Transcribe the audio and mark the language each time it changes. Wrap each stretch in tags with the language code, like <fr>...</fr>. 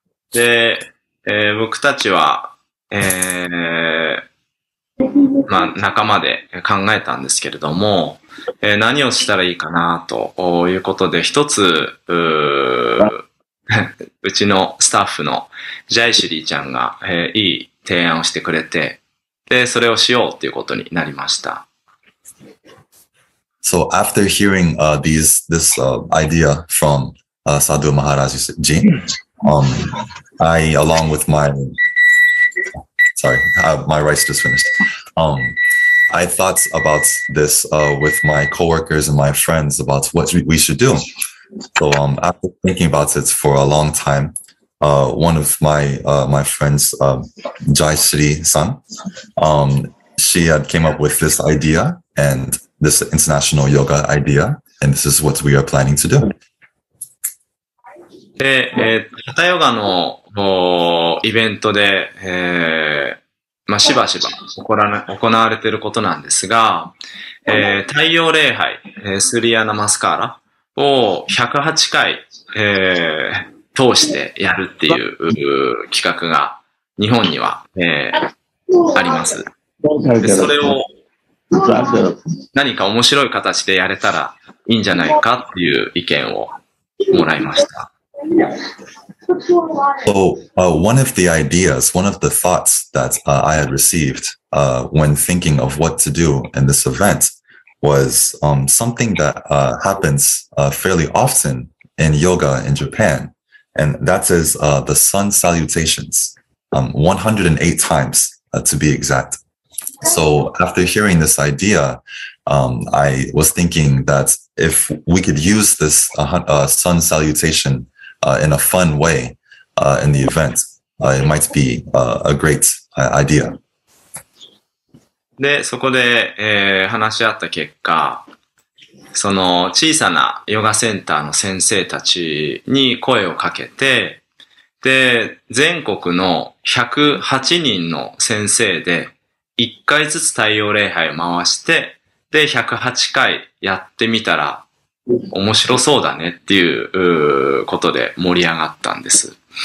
<ja>で、僕たちは、まあ、仲間で考えたんですけれども、何をしたらいいかな、ということで、一つ、うちのスタッフのジャイシュリーちゃんが、いい提案をしてくれて、で、それをしようということになりました。</ja> <en>So, after hearing, this, idea from, Sadhu Maharaj Ji, I, along with my Sorry, my rice just finished. I thought about this with my coworkers and my friends about what we should do. So after thinking about it for a long time, one of my friends, Jai Shri-san, she had came up with this idea and this international yoga idea, and this is what we are planning to do.</en> <ja>で、ハタヨガのイベントで、まあ、しばしば行われていることなんですが、太陽礼拝、スリアナマスカーラを108回、通してやるっていう企画が日本には、あります。で、それを何か面白い形でやれたらいいんじゃないかっていう意見をもらいました。</ja> <en>So, one of the ideas, one of the thoughts that I had received when thinking of what to do in this event was something that happens fairly often in yoga in Japan, and that is the sun salutations, 108 times to be exact. So after hearing this idea, I was thinking that if we could use this sun salutation in a fun way, in the event, it might be a great idea.</en> <ja>で、そこで、話し合った結果、その小さなヨガセンターの先生たちに声をかけて、で、全国の108人の先生で1回ずつ太陽礼拝を回して、で、108回やってみたら、面白そうだねっていうことで盛り上がったんです。</ja>